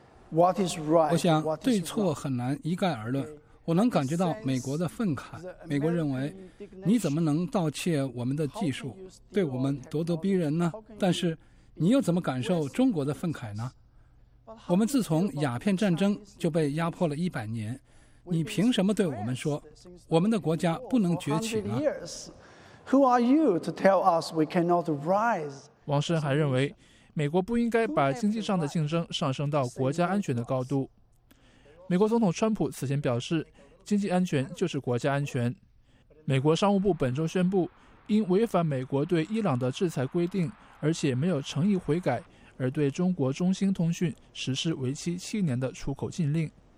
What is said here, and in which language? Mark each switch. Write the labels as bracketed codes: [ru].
[zh] 我想对错很难一概而论。我能感觉到美国的愤慨，美国认为你怎么能盗窃我们的技术，对我们咄咄逼人呢？但是你又怎么感受中国的愤慨呢？我们自从鸦片战争就被压迫了100年。你凭什么对我们说，我们的国家不能崛起呢？ [en] Who are you to tell us we cannot rise? [zh] 王申还认为，美国不应该把经济上的竞争上升到国家安全的高度。美国总统川普此前表示，经济安全就是国家安全。美国商务部本周宣布，因违反美国对伊朗的制裁规定，而且没有诚意悔改，而对中国中兴通讯实施为期7年的出口禁令。